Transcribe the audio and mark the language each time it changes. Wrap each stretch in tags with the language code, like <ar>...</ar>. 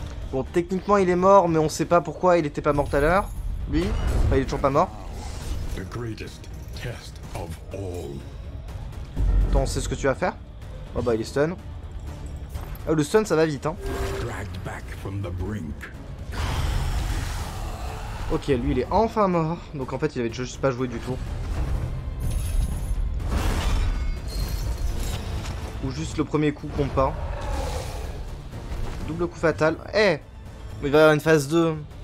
<fr>Bon, techniquement il est mort, mais on sait pas pourquoi il était pas mort tout à l'heure. Lui, enfin, il est toujours pas mort.</fr> <en>The greatest test of all.</en> <fr>Attends, on sait ce que tu vas faire. Oh bah il est stun. Oh, le stun ça va vite, hein.</fr> <en>Dragged back from the brink.</en> <fr>Ok, lui il est enfin mort. Donc en fait il avait juste pas joué du tout. Ou juste le premier coup qu'on part. Double coup fatal. Eh hey, mais il va y avoir une phase 2.</fr>